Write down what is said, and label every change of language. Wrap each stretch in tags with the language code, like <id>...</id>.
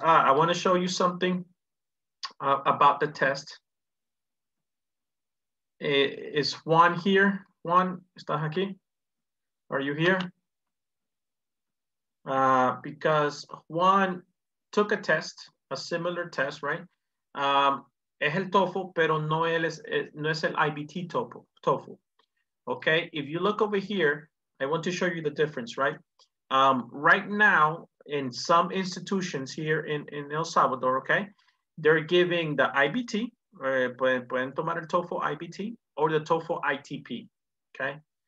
<en>I wanna show you something about the test. Is Juan here? Juan,</en> <es>¿estás aquí?</es> <en>Are you here? Because Juan took a test, a similar test, right?</en> <es>Es el TOEFL, pero no es el IBT TOEFL, okay?</es> <en>If you look over here, I want to show you the difference, right? Right now, in some institutions here in El Salvador, okay, they're giving the IBT,</en> <es>pueden tomar el TOEFL IBT,</es> <en>or the TOEFL ITP, okay?</en>